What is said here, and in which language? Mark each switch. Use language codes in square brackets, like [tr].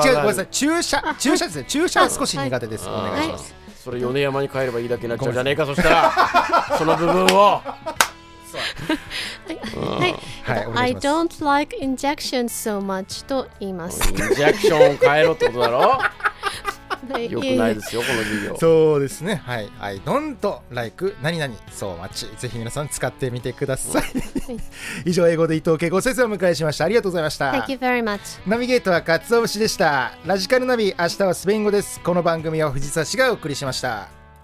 [ja] 間違えた、ごめんなさい。注射ですね。注射は少し苦手です。お願いします。それ米山に帰ればいいだけになっちゃうじゃねえか。そしたらその部分を。はい、 [en] I don't like injection so much [ja] と言います。インジェクションを変えろってことだろ。良くないですよこの授業。そうですね、はい、 [en] I don't like [ja] 何々 [en] so much、 [ja] ぜひ皆さん使ってみてください。以上、英語で伊藤恵子先生を迎えしました。ありがとうございました。 [en] Thank you very much。 [ja] ナビゲートはカツオ節でした。ラジカルナビ、明日はスペイン語です。この番組は藤沢氏がお送りしました。